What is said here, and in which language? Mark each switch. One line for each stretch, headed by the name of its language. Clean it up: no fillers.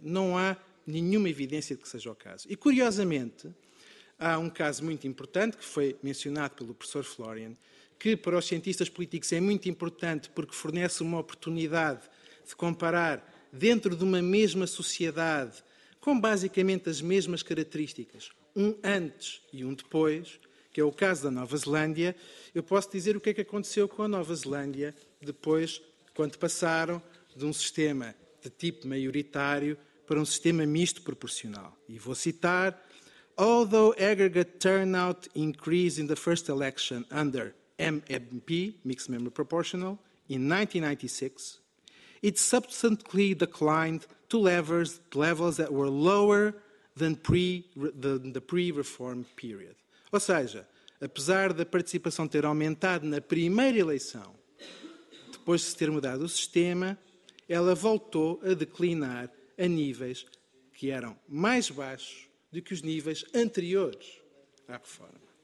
Portuguese: Não há nenhuma evidência de que seja o caso. E, curiosamente, há um caso muito importante que foi mencionado pelo professor Florian, que para os cientistas políticos é muito importante porque fornece uma oportunidade de comparar dentro de uma mesma sociedade, com basicamente as mesmas características, um antes e um depois, que é o caso da Nova Zelândia. Eu posso dizer o que é que aconteceu com a Nova Zelândia depois, quando passaram de um sistema de tipo maioritário para um sistema misto proporcional.
English: E vou citar: "Although aggregate turnout increased in the first election under MMP, Mixed Member Proportional, in 1996, it subsequently declined to levels that were lower than the pre-reform period."
Portuguese: Ou seja, apesar da participação ter aumentado na primeira eleição, depois de se ter mudado o sistema, ela voltou a declinar a níveis que eram mais baixos do que os níveis anteriores à reforma.